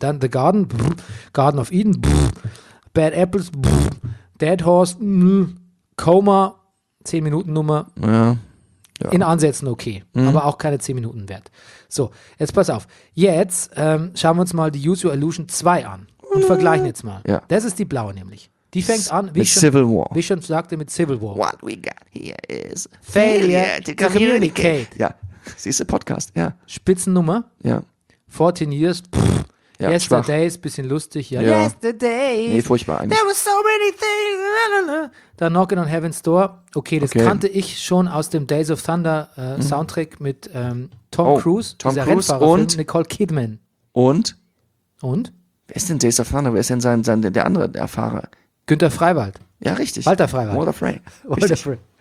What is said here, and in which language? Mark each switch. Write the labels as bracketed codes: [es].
[de] Dann The Garden, Garden of Eden, Bad Apples, Dead Horse, Coma, 10 Minuten Nummer. Ja. Ja. In Ansätzen okay, mhm. aber auch keine 10 Minuten wert. So, jetzt pass auf. Jetzt schauen wir uns mal die Use Your Illusion 2 an und vergleichen jetzt mal. Ja. Das ist die blaue nämlich. Die fängt an, wie ich schon sagte, mit Civil War. [en] What we got here is failure to communicate. [de] Ja, siehst du, Podcast, ja. Spitzennummer. Ja. 14 Years, ja, Yesterday ist ein bisschen lustig. Ja. Ja. Yesterday. Nee, furchtbar eigentlich. [en] There were so many things. [de] Dann Knockin' on Heaven's Door. Okay, das okay. kannte ich schon aus dem Days of Thunder Soundtrack mit Tom Cruise. Tom Cruise und Nicole Kidman. Und? Und? Wer ist denn Days of Thunder? Wer ist denn der andere Erfahrer? Günther Freiwald. Ja, richtig. Walter Freiwald. Walter Frey. Walter Frey.